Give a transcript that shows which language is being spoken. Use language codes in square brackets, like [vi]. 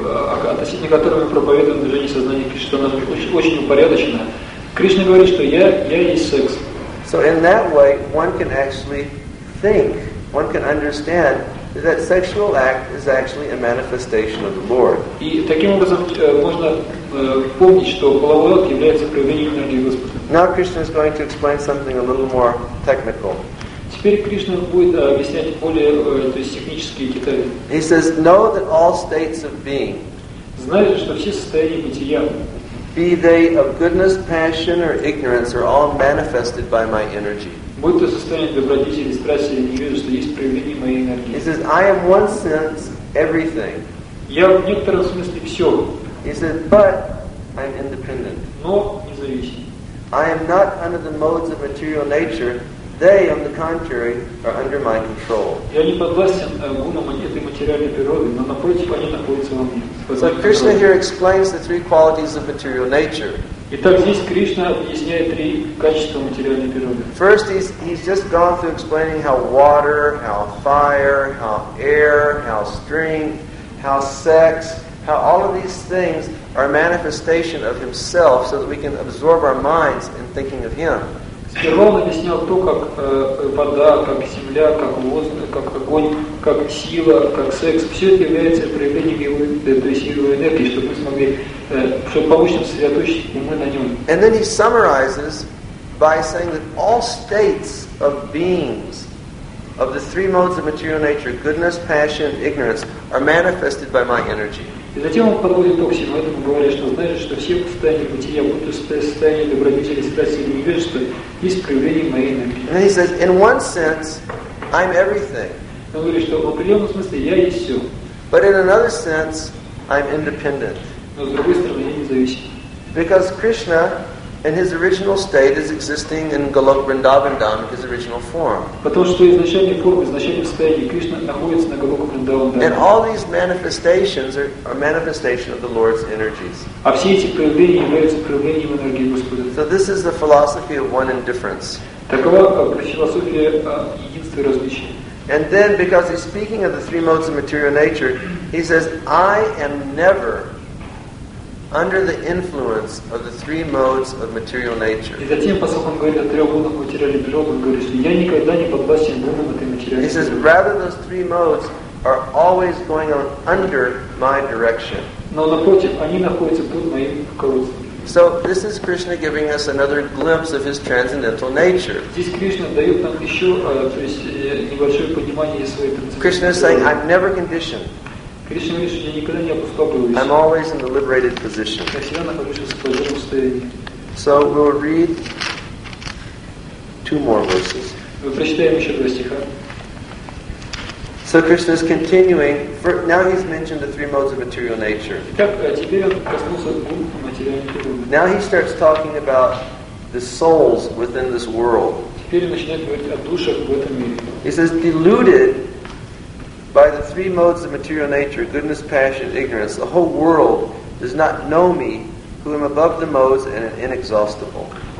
[ru] Относительно которого мы проповедуем движение сознания Кришна, очень упорядочено. Кришна говорит, что я есть секс. [en] So in that way, one can actually think, one can understand that sexual act is actually a manifestation of the Lord. [ru] И таким образом можно помнить, что половой акт является проявлением энергии Господа. [en] Now Krishna is going to explain something a little more technical. [ru] Теперь Кришна будет объяснять более технические детали. [en] He says, know that all states of being, [ru] знаете, что все состояния бытия, [en] be they of goodness, passion, or ignorance, are all manifested by my energy. [ru] Будь то состояние добродетели, страсти или невежества, есть проявление моей энергии. [en] He says, I am one sense everything. [ru] Я в некотором смысле все. [en] He says, but I'm independent. [ru] Но независим. [en] I am not under the modes of material nature. They, on the contrary, are under my control. [ru] Я не подвластен гунам этой материальной природы, но напротив, они находятся во мне. [en] So Krishna here explains the three qualities of material nature. [ru] Итак, здесь Кришна объясняет три качества материальной природы. [en] First, he's just gone through explaining how water, how fire, how air, how strength, how sex, how all of these things are a manifestation of himself so that we can absorb our minds in thinking of him. [ru] Сперва он объяснял то, как вода, как земля, как воздух, как огонь, как сила, как секс. Все это является проявлением его, то есть его энергии, чтобы мы смогли, чтобы помочь нам сосредоточить умы на нем. [en] And then he summarizes by saying that all states of beings of the three modes of material nature, goodness, passion, and ignorance, are manifested by my energy. [ru] И затем он подводит к всему этому, говоря, что значит, что все состояния бытия, будь то состояние добродетели, страсти или невежества, есть проявление моей энергии. [en] And he says, in one sense, I'm everything. [ru] Он говорит, что в определенном смысле я есть все. [en] But in another sense, I'm independent. [ru] Но с другой стороны, я независим. [en] Because Krishna, in his original state, is existing in Golok Vrindavan Dham, his original form. [ru] Потому что изначальная форма, изначальное состояние Кришна находится на Голоке Вриндаван Дхаме. [en] And all these manifestations are manifestation of the Lord's energies. [ru] А все эти проявления являются проявлением энергии Господа. [en] So this is the philosophy of one indifference. [ru] Такова философия единства и различия. [en] And then, because he's speaking of the three modes of material nature, he says, I am never under the influence of the three modes of material nature. [ru] И затем, поскольку он говорит о трех модах материальной природы, он говорит, что я никогда не под властью двух модов материальной природы. [en] He says, rather those three modes are always going on under my direction. [ru] Но напротив, они находятся под моим руководством. [en] So this is Krishna giving us another glimpse of his transcendental nature. [ru] Здесь Кришна дает нам еще, то есть небольшое понимание своей трансцендентности. [en] Krishna is saying, I'm never conditioned. [ru] Кришна говорит, что я никогда не опустошен. [en] I'm always in the liberated position. [ru] Я всегда нахожусь в свободном состоянии. [en] So we'll read two more verses. [ru] Мы прочитаем еще два стиха. [en] So Krishna is continuing. For, now he's mentioned the three modes of material nature. Now he starts talking about the souls within this world. He says, deluded by the three modes of material nature, goodness, passion, ignorance, the whole world does not know me, who am above the modes and inexhaustible.